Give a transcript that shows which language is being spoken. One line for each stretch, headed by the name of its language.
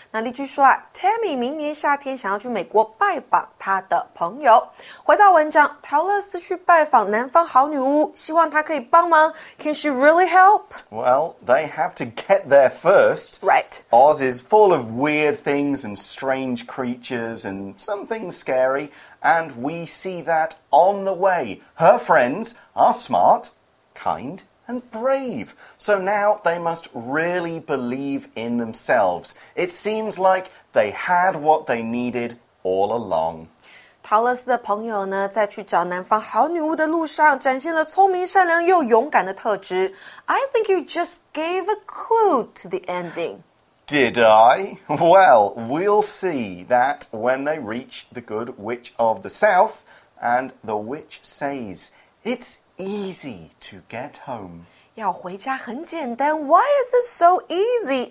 Chinese: 那例句说啊 ，Tammy 明年夏天想要去美国拜访她的朋友。回到文章，陶乐斯去拜访南方好女巫，希望她可以帮忙。
English: Can she really help? Well, they have to get there first. Right. Oz is full of weird things and strange creatures and something scary. And we see that on the way. Her friends are smart, kind, and brave. So now they must really believe in themselves. It seems like they had what they needed all along.
Chinese: 陶乐斯的朋友呢，在去找南方好女巫的路上，展现了聪明、善良又勇敢的特质。
English: I think you just gave a clue to the ending. Did I? Well, we'll see that when they reach the Good Witch of the South, and the witch says, it's easy to get home.
Chinese: 要回家很简单。
English: Why is it so easy?